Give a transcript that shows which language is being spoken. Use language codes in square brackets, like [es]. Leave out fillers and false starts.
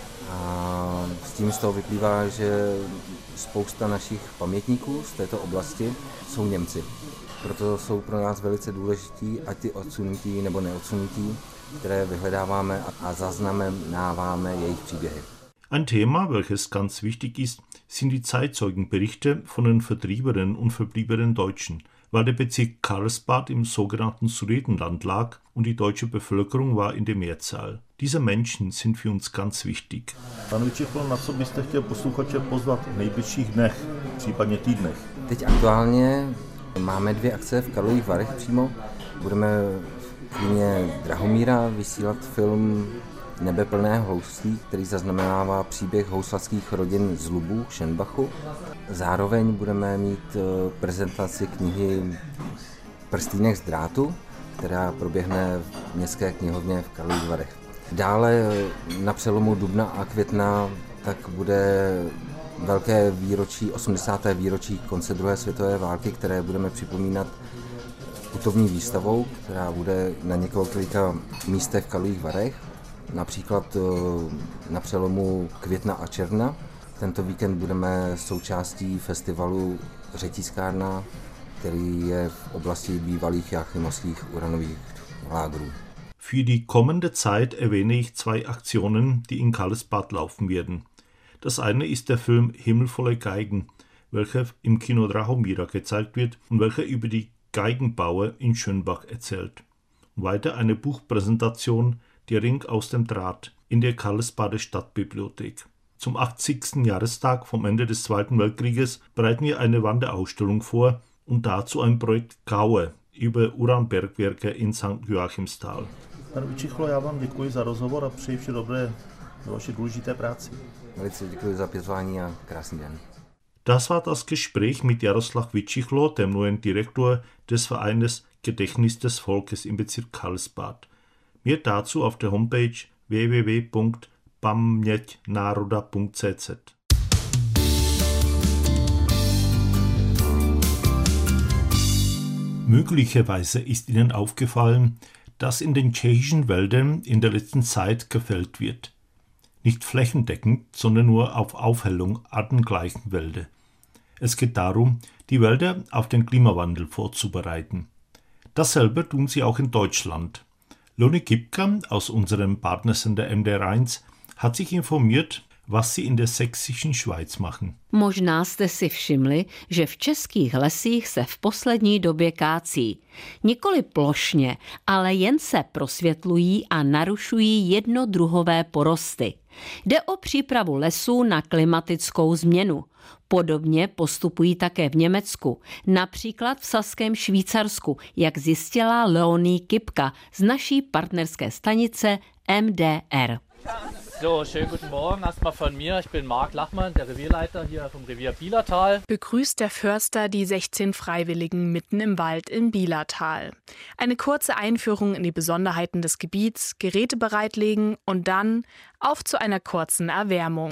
[cs] A s tím z toho vyplývá, že spousta našich pamětníků z této oblasti jsou Němci. Proto jsou pro nás velice důležití, ať ty odsunutí nebo neodsunutí, které vyhledáváme a zaznamenáváme jejich příběhy. [de] Ein Thema, welches ganz wichtig ist, sind die Zeitzeugenberichte von den Vertriebenen und verbliebenen Deutschen. Weil der Bezirk Karlsbad im sogenannten Sudetenland lag und die deutsche Bevölkerung war in der Mehrzahl. Diese Menschen sind für uns ganz wichtig. [cs] Pane Vyčichlo, na co byste chtěl posluchače pozvat v nejbližších dnech, případně týdnech? Teď aktuálně máme 2 akce v Karlových Varech přímo. Budeme v kině Drahomíra vysílat film Nebeplné houslí, který zaznamenává příběh houslavských rodin z Lubu, Šenbachu. Zároveň budeme mít prezentaci knihy Prstýnek z drátu, která proběhne v městské knihovně v Karlových Varech. Dále na přelomu dubna a května tak bude velké výročí, 80. výročí konce druhé světové války, které budeme připomínat putovní výstavou, která bude na několika místech v Karlových Varech. Například na přelomu května a června. Tento víkend budeme součástí festivalu Řetiskárna, který je v oblasti bývalých jáchymovských uranových lágrů. [de] Für die kommende Zeit erwähne ich zwei Aktionen, die in Karlsbad laufen werden. Das eine ist der Film Himmelvolle Geigen, welcher im Kino Drachomira gezeigt wird und welcher über die Geigenbauer in Schönbach erzählt. Weiter eine Buchpräsentation Der Ring aus dem Draht in der Karlsbader Stadtbibliothek. Zum 80. Jahrestag vom Ende des Zweiten Weltkrieges bereiten wir eine Wanderausstellung vor und dazu ein Projekt Kaue über Uranbergwerke in St. Joachimsthal. [cs] Pane Vyčichlo, já vám děkuji za rozhovor a přeji vše dobré za vaši důležité práci. Velice děkuji za pozvání a krásný den. [de] Das war das Gespräch mit Jaroslav Vyčichlo, dem neuen Direktor des Vereines Gedächtnis des Volkes im Bezirk Karlsbad. Mehr dazu auf der Homepage www.pamjetnaroda.cz. Möglicherweise ist Ihnen aufgefallen, dass in den tschechischen Wäldern in der letzten Zeit gefällt wird. Nicht flächendeckend, sondern nur auf Aufhellung artengleichen Wälder. Es geht darum, die Wälder auf den Klimawandel vorzubereiten. Dasselbe tun sie auch in Deutschland. Loni Kipka aus unserem Partnersender MDR1 hat sich informiert, was sie in der sächsischen Schweiz machen. [cs] Možná jste si všimli, že v českých lesích se v poslední době kácí. Nikoli plošně, ale jen se prosvětlují a narušují jednodruhové porosty. Jde o přípravu lesů na klimatickou změnu. Podobně postupují také v Německu, například v saském Švýcarsku, jak zjistila Leoni Kipka z naší partnerské stanice MDR. [de] So, schönen guten Morgen, erstmal von mir. Ich bin Marc Lachmann, der Revierleiter hier vom Revier Bielertal. Begrüßt der Förster die 16 Freiwilligen mitten im Wald im Bielertal. Eine kurze Einführung in die Besonderheiten des Gebiets, Geräte bereitlegen und dann auf zu einer kurzen Erwärmung.